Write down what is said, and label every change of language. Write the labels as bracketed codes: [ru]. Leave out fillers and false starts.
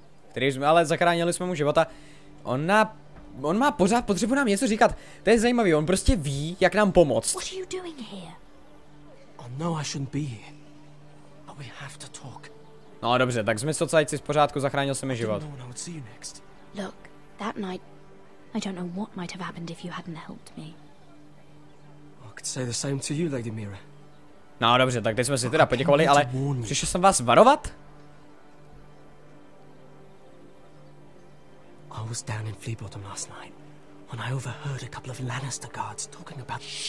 [cs] Který jsme, ale zachránili jsme mu života. On má pořád potřebu nám něco říkat. To je zajímavý, on prostě ví, jak nám pomoct. [en] What are you doing here? I know I shouldn't be here. But we have to talk. [cs] No dobře, tak jsme sociálci z pořádku, zachránil se mi život. [en] Look, that night, I don't know what might have happened if you hadn't helped me. Look, could say the same to you, Lady Mira. [cs] No dobře, tak teď jsme si teda poděkovali, ale přišel jsem vás varovat? [en] I was down in Fleabottom last night when I overheard a couple of Lannister guards talking about.